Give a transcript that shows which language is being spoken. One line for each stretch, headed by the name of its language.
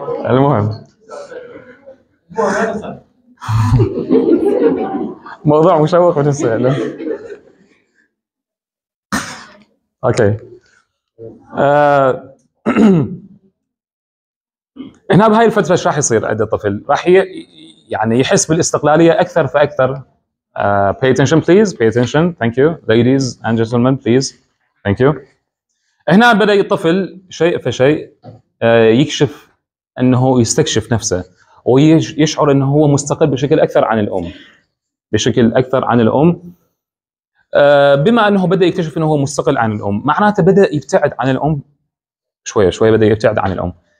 Arabic: المهم موضوع مشوق بس له. اوكي هنا بهاي الفتره ايش راح يصير عند الطفل؟ راح يعني يحس بالاستقلاليه اكثر فاكثر.
English: pay attention please, pay attention, thank you ladies and gentlemen, please, thank you.
Arabic: هنا بدا الطفل شيء فشيء يكشف انه يستكشف نفسه ويشعر انه هو مستقل بشكل اكثر عن الام، بشكل اكثر عن الام. بما انه بدا يكتشف انه هو مستقل عن الام، معناته بدا يبتعد عن الام شويه شويه، بدا يبتعد عن الام.